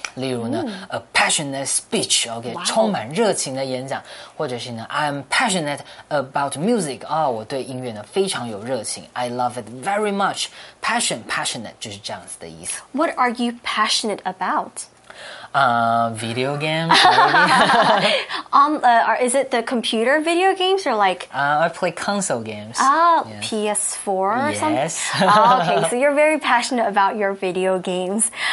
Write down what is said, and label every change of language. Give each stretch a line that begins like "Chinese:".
Chinese: 例如呢、，
English: a passionate speech.
Chinese: Okay, 充满热情的演讲，或者是呢 ，
English: I'm passionate about music.
Chinese: 啊、哦，我对音乐呢非常有热情 ，
English: I love it very much.
Chinese: Passion, passionate 就是这样子的意思。
English: What are you passionate about? Video games. Really? is it the computer video games or like? I play console games. PS4 or yes. something. Yes. okay, so you're very passionate about your video games.